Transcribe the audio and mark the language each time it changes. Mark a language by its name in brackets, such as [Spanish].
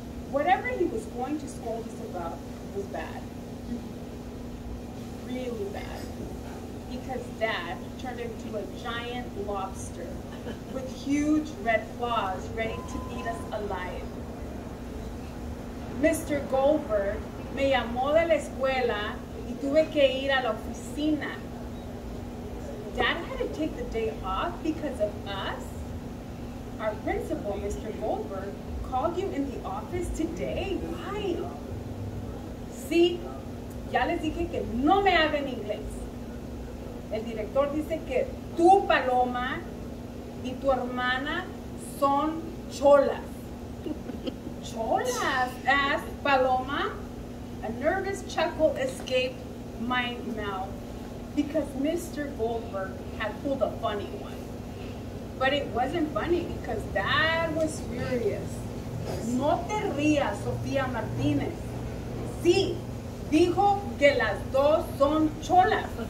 [English] Whatever he was going to scold us about was bad. Really bad. Because Dad turned into a giant lobster with huge red claws ready to eat us alive. Mr. [Spanish] Goldberg me llamó de la escuela y tuve que ir a la oficina. [English] Dad had to take the day off because of us? Our principal, Mr. Goldberg, called you in the office today? Why? [Spanish] Sí, ya les dije que no me hablen inglés. El director dice que tu Paloma y tu hermana son cholas. [English] Cholas, asked Paloma. A nervous chuckle escaped my mouth because Mr. Goldberg had pulled a funny one. But it wasn't funny because Dad was furious. [Spanish] No te rías, Sofía Martínez. Sí, dijo que las dos son cholas.